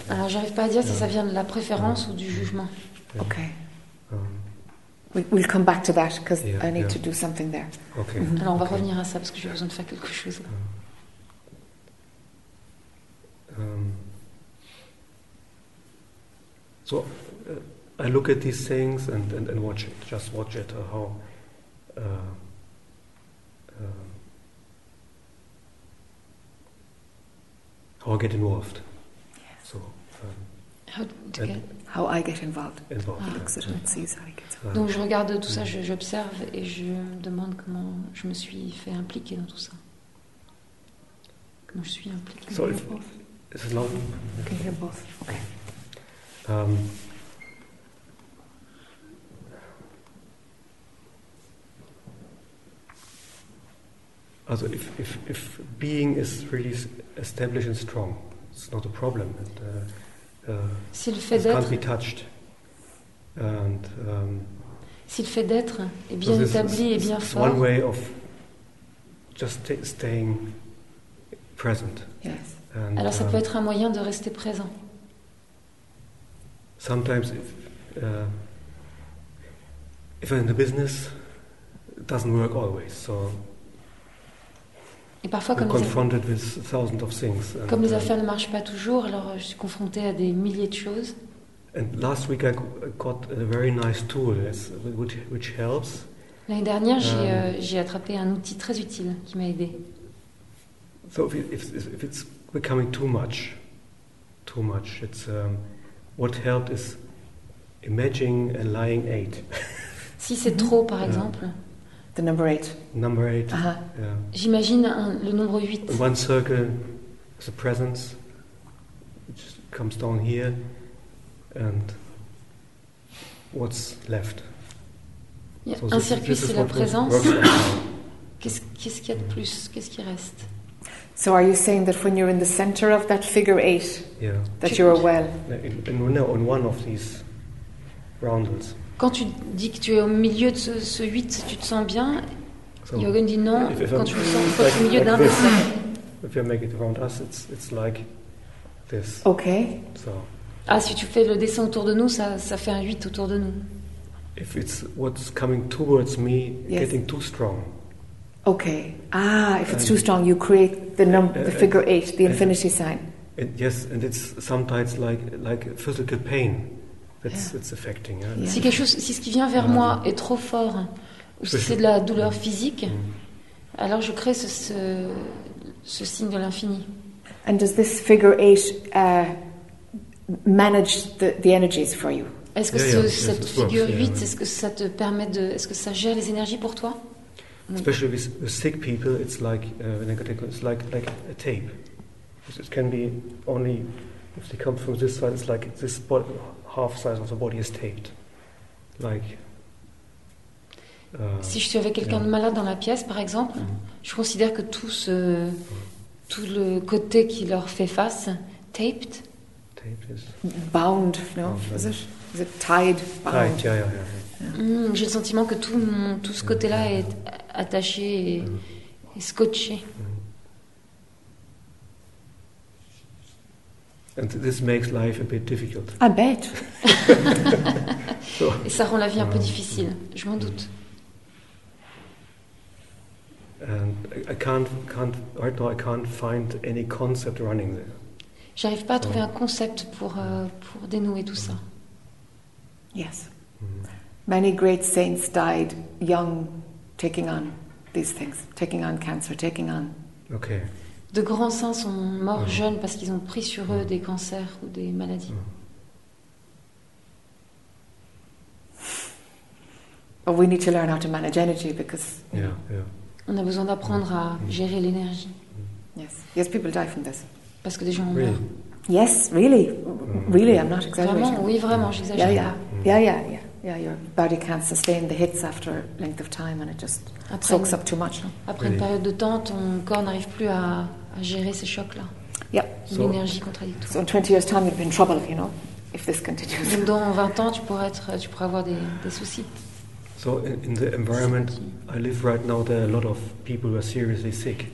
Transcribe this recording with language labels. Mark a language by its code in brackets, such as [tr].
[fr] Alors, j'arrive pas à dire si ça vient de la préférence ou du jugement. [en] Yeah. Okay. We'll come back to that because I need to do something there. Okay. Mm-hmm. [fr] Alors, on va revenir à ça parce que j'ai besoin de faire quelque chose. Um, [en] So I look at these things and watch it, just watch it, how I get involved. Yes. So, how I get involved. Involved. He looks at it and sees how he gets involved. [fr] Donc je regarde tout ça, j'observe et je me demande comment je me suis fait impliquer dans tout ça. Comment je suis impliqué. [en] So it's a long. Okay, you're both. Okay. Also, if being is really established and strong, it's not a problem. [fr] Si le fait d'être, [en] can't be touched. And, [fr] si le fait d'être est bien établi et bien fort. [en] One way of just staying present. Yes. [fr] And, alors, ça peut être un moyen de rester présent. [en] Sometimes, if I'm in the business, it doesn't work always. So. [fr] Et parfois, comme les affaires ne marchent pas toujours, alors je suis confronté à des milliers de choses. [en] And last week I got a very nice tool, which helps. [fr] L'année dernière, j'ai attrapé un outil très utile qui m'a aidé. [en] So if it's becoming too much, it's what helped is imagining a lying eight. [fr] Si c'est trop, par exemple. [en] The number eight. Number eight. Uh-huh. Yeah. [fr] J'imagine le numéro 8. [en] One circle is a presence. It just comes down here. And what's left? [fr] Yeah. So un circuit, c'est la présence. Qu'est-ce qu'il y a de plus? Qu'est-ce qui reste? [en] So are you saying that when you're in the center of that figure eight, yeah, that you're well? In one of these roundels. [fr] Quand tu dis que tu es au milieu de ce 8, tu te sens bien. [en] So, [fr] Jürgen dit non, quand tu le sens, tu es au milieu d'un 5. [en] If you make it around us, it's like this. OK. So. [fr] Ah, si tu fais le dessin autour de nous, ça fait un 8 autour de nous. [en] If it's what's coming towards me, yes, getting too strong. OK. Ah, if it's too strong, you create the figure 8, the infinity sign. Yes, and it's sometimes like physical pain. It's affecting, yeah. [fr] Si quelque chose, si ce qui vient vers moi est trop fort, ou si c'est de la douleur physique, alors je crée ce signe de l'infini. [en] And does this figure eight manage the energies for you? [fr] Est-ce que cette figure 8, est-ce que ça te permet de, est-ce que ça gère les énergies pour toi? [en] Especially with sick people, it's like negative. It's like a tape. It can be only if they come from this side. It's like this spot. Half size of the body is taped. Like, [fr] si je suis avec quelqu'un de malade dans la pièce, par exemple, je considère que tout le côté qui leur fait face, taped. [en] Taped is bound, no? Is it tied? Bound. Tied, yeah. [fr] J'ai le sentiment que tout ce côté-là est attaché et scotché. [en] And this makes life a bit difficult. I bet. [fr] Et ça rend la vie un peu difficile. Je m'en doute. [en] And I can't right now I can't find any concept running there. [fr] J'arrive pas à trouver un concept pour dénouer tout ça. [en] Yes. Many great saints died young, taking on these things, taking on cancer, taking on. Okay. [fr] De grands saints sont morts jeunes parce qu'ils ont pris sur eux des cancers ou des maladies. [en] We need to learn how to manage energy because [fr] on a besoin d'apprendre à gérer l'énergie. [en] Yes, people die from this. [fr] Parce que des gens meurent. [en] Yes, really, really, I'm not exaggerating. [fr] Vraiment, oui, vraiment, j'exagère. [en] Yeah. Your body can't sustain the hits after a length of time, and it just soaks up too much. No? [fr] Après une période de temps, ton corps n'arrive plus à gérer ces chocs-là. [en] Yeah. [fr] L'énergie contradictoire. [en] So in 20 years' time, you'll be in trouble, you know, if this continues. [fr] Donc dans 20 ans, tu pourrais avoir des soucis. [en] So in the environment I live right now, there are a lot of people who are seriously sick.